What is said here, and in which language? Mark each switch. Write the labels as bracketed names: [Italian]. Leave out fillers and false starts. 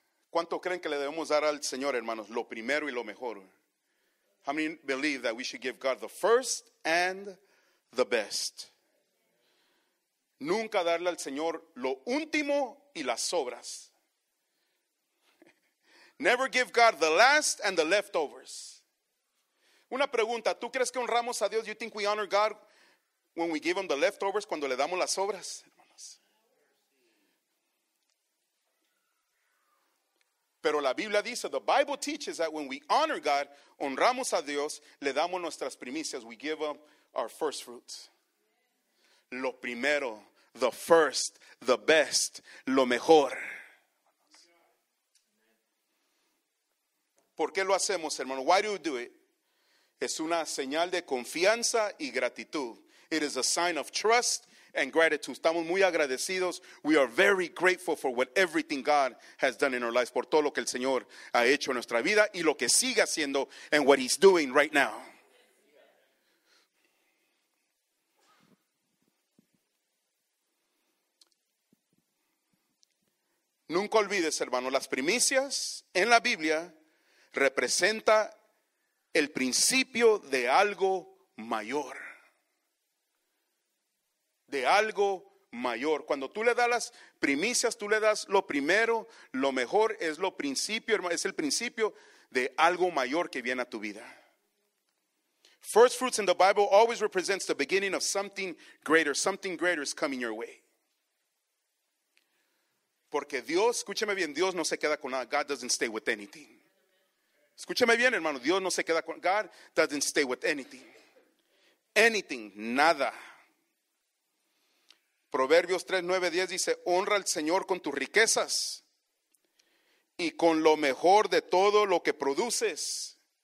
[Spanish] ¿Cuánto creen que le debemos dar al Señor, hermanos? Lo primero y lo mejor. [English] How many believe that we should give God the first and the best? [Spanish] Nunca darle al Señor lo último y las sobras. [English] Never give God the last and the leftovers. [Spanish] Una pregunta, ¿tú crees que honramos a Dios? [English] You think we honor God when we give him the leftovers, [Spanish] cuando le damos las sobras? Pero la Biblia dice, [English] the Bible teaches that when we honor God, [Spanish] honramos a Dios, le damos nuestras primicias, [English] we give him our first fruits. [Spanish] Lo primero, [English] the first, the best, [Spanish] lo mejor. ¿Por qué lo hacemos, hermano? [English] Why do we do it? [Spanish] Es una señal de confianza y gratitud. [English] It is a sign of trust and gratitude. [Spanish] Estamos muy agradecidos. [English] We are very grateful for what everything God has done in our lives. [Spanish] Por todo lo que el Señor ha hecho en nuestra vida. Y lo que sigue haciendo. [English] And what he's doing right now. [Spanish] Nunca olvides, hermano, las primicias en la Biblia representa el principio de algo mayor. De algo mayor. Cuando tú le das las primicias, tú le das lo primero, lo mejor, es lo principio, es el principio de algo mayor que viene a tu vida. [English] First fruits in the Bible always represents the beginning of something greater. Something greater is coming your way. [Spanish] Porque Dios, escúcheme bien, Dios no se queda con nada. [English] God doesn't stay with anything. [Spanish] Escúcheme bien, hermano, Dios no se queda con, [English] God doesn't stay with anything. Anything, nada. [Spanish] Proverbios 3, 9, 10 dice, honra al Señor con tus riquezas y con lo mejor de todo lo que produces.